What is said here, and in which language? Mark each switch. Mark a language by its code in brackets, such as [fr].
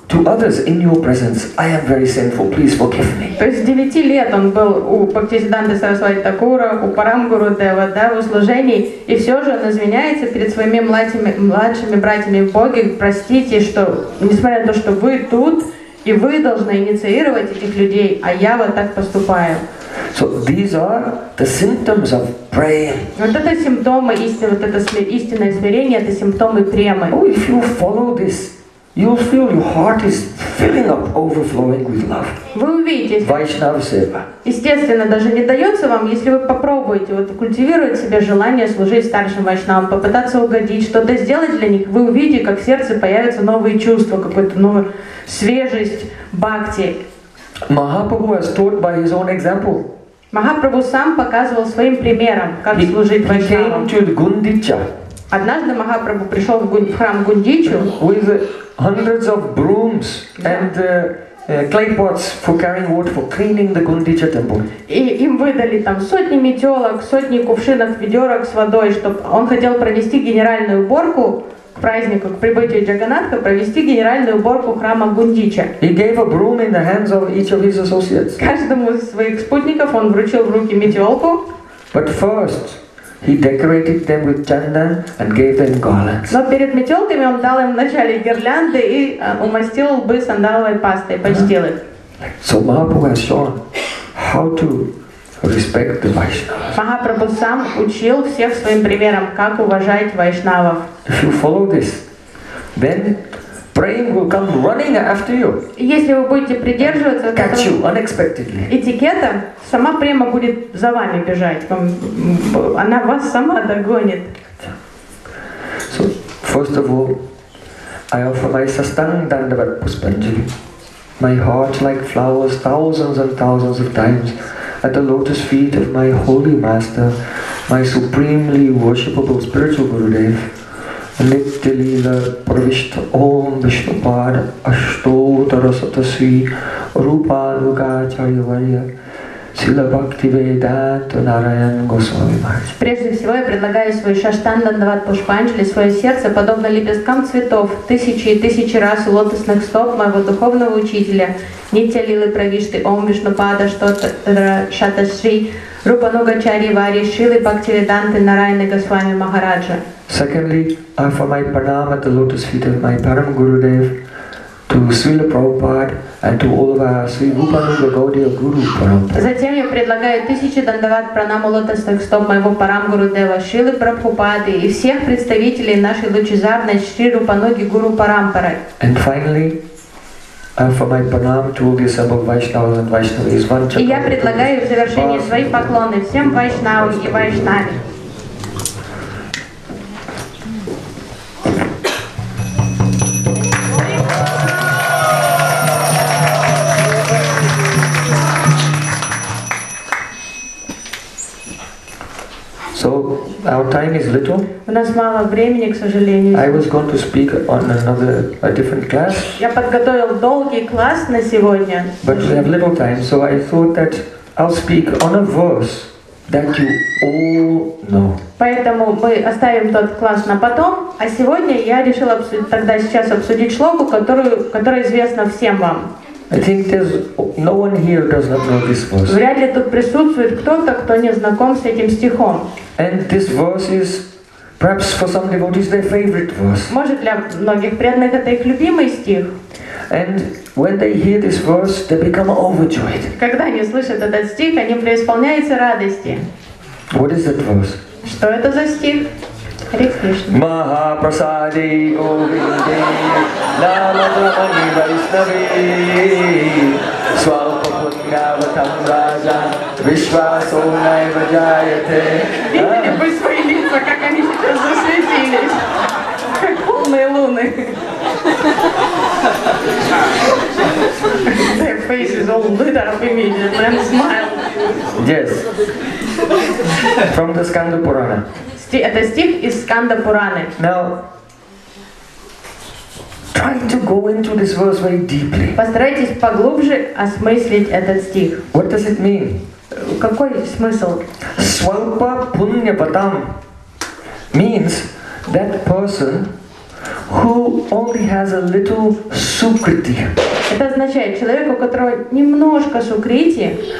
[en] To others in your presence, I am very sinful. Please forgive me. [ru] То есть 9 лет он был у Бхактисиддханты Сарасвати Такура, у Парам Гуру Дева, да, в служении, и все же он извиняется перед своими младшими братьями Боги, простите, что несмотря на то, что вы тут и вы должны инициировать этих людей, а я вот так поступаю. [en] So these are the symptoms of praying. [ru] Вот это симптомы истины, вот это истинное смирение, это симптомы премы. [en] Oh, if you follow this. You'll feel your heart is filling up, overflowing with love. [ru] Вы увидите. [sa] Vaishnava seva. [ru] Естественно, даже не дается вам, если вы попробуете вот культивировать в себе желание служить старшим вайшнавам, попытаться угодить, что-то сделать для них, вы увидите, как в сердце появятся новые чувства, какую-то новую свежесть бхакти. [en] Mahaprabhu has taught by his own example. [ru] Махапрабху сам показывал своим примером, как служить вайшнавам. [en] He came to Гундича. [ru] Однажды Махапрабху пришел в храм Гундичу. [en] Hundreds of brooms and clay pots for carrying water for cleaning the Gundicha temple. [ru] И им выдали там сотни метелок, сотни кувшинов, ведерок с водой, чтобы он хотел провести генеральную уборку к празднику, к прибытию Джаганатха, провести генеральную уборку храма Гундича. [en] He gave a broom in the hands of each of his associates. [ru] Каждому из своих спутников он вручил в руки метелку. [en] But first. He decorated them with chandan and gave them garlands. [ru] Но перед метелками он дал им вначале гирлянды и умастил лбы сандаловой пастой, почтил их. [en] So Mahaprabhu has shown how to respect the Vaishnavas. [ru] Махапрабху сам учил всех своим примером, как уважать вайшнавов. [en] If you follow this, then praying will come running after you. [ru] Если вы будете придерживаться этикета, сама према будет за вами бежать. Она вас сама догонит. [en] So, first of all, I offer my sastang dandavat puspanji. My heart like flowers thousands and thousands of times at the lotus feet of my holy master, my supremely worshipable spiritual Gurudev. [sa] Nitya lila pravishta om vishnupad ashtotara satasvi rupaluka charyavarya Сила Бхакти Ведата Нараян Госвами Махараджа. [ru] Прежде всего я предлагаю свою шаштандандават пушпанчали, свое сердце, подобно лепесткам цветов, тысячи и тысячи раз у лотосных стоп моего духовного учителя, Нитья Лилы Правишты, Ом Вишнупада Штотра Шатасри, Рупа Нугачари Вари, Шилы Бхакти Веданты Нараян Госвами Махараджа. [en] Secondly, I offer my pranam at the lotus feet of my Param Gurudev, to Srila Prabhupada and to all of our Sri Rupanuga Gaudiya Guru Parampara. [ru] Затем я предлагаю тысячи дандават пранаму лотосных стоп моего Парам Гурудева Шрилы Прабхупады и всех представителей нашей лучезарной Шри Рупануги Гуру Парампары. [en] And finally, offer my pranam to all the assembled Vaishnavas and Vaishnavis. [ru] И я предлагаю в завершение свои поклоны всем Вайшнавам и Вайшнаве. [en] Our time is little. [ru] У нас мало времени, к сожалению. [en] I was going to speak on a different class. [ru] Я подготовил долгий класс на сегодня. [en] But we have little time, so I thought that I'll speak on a verse that you all know. [ru] Поэтому мы оставим тот класс на потом, а сегодня я решил обсудить шлоку, которая известна всем вам. [en] I think there's no one here does not know this verse. [ru] Вряд ли тут присутствует кто-то, кто не знаком с этим стихом. [en] And this verse is perhaps for some devotees their favorite verse. [ru] Может, для многих преданных это их любимый стих. [en] And when they hear this verse, they become overjoyed. [ru] Когда они слышат этот стих, они преисполняются радости. [en] What is that verse? [ru] Что это за стих? [sa] Maha prasade govinde namadhani vaisnavi swalpa punya vatam raja vishvaso naiva jayate. [ru] Видели бы свои лица, как они сейчас засветились, как полные луны. [en] Their face is all lit up immediately and smile. Yes, from the Skanda Purana. [ru] Это стих из Сканда Пураны. [en] Now, try to go into this verse very deeply. [ru] Постарайтесь поглубже осмыслить этот стих. [en] What does it mean? [ru] Какой смысл? [sa] Свалпа пунья патам [en] means that person who only has a little sukriti. [ru] Это означает человек, у которого немножко сукрити.